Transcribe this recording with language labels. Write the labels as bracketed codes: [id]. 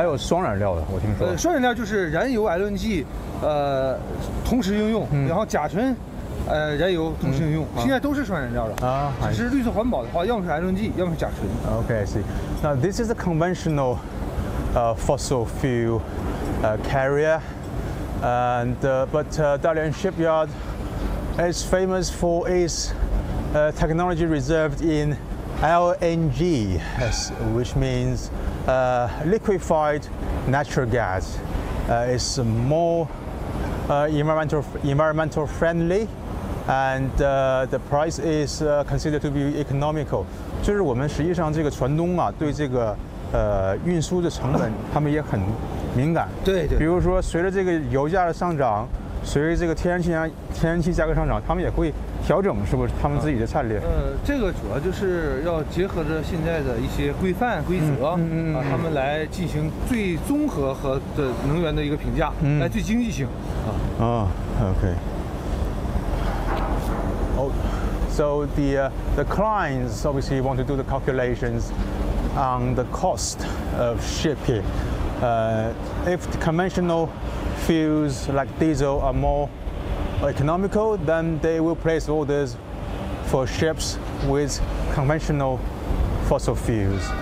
[zh] 还有双燃料的，我听说。双燃料就是燃油 LNG， 同时应用，然后甲醇。燃油同时应用，现在都是双燃料了啊，只是绿色环保的话，要么是 LNG， 要么是甲醇。 [en] Okay, I see. Now this is a conventional, fossil fuel, carrier, and but Dalian Shipyard is famous for its technology reserved in LNG, which means liquefied natural gas. It's more environmental friendly. And the price is considered to be economical. [zh] 就是我们实际上这个船东啊，对这个运输的成本，他们也很敏感。对对。比如说，随着这个油价的上涨，随着这个天然气价格上涨，他们也会调整，是不是他们自己的战略？这个主要就是要结合着现在的一些规范规则，他们来进行最综合和的能源的一个评价，来最经济性。 [en] OK. So the clients obviously want to do the calculations on the cost of shipping. If the conventional fuels like diesel are more economical, then they will place orders for ships with conventional fossil fuels.